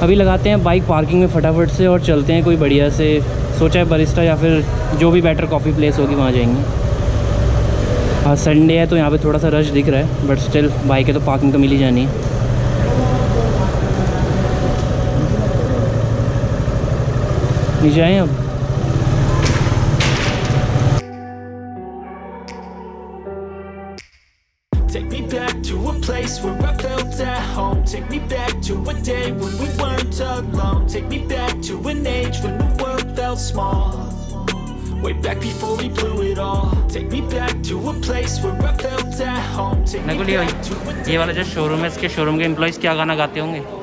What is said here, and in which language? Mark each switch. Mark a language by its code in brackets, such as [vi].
[hi] अभी लगाते हैं बाइक पार्किंग में फटाफट से और चलते हैं कोई बढ़िया से, सोचा है बरिस्टा या फिर जो भी [en] better coffee place [hi] होगी वहाँ जाएंगे। हाँ संडे है तो यहाँ पे थोड़ा सा रश दिख रहा है, [en] but still [hi] बाइक है तो पार्किंग तो मिल ही जानी है। जाए अब [en] take me back to a place where I felt at home, take me back to a day when we weren't alone, take me back to an age when the world felt small. [hi] ये वाला जो showroom है, इसके showroom के employees क्या गाना गाते होंगे?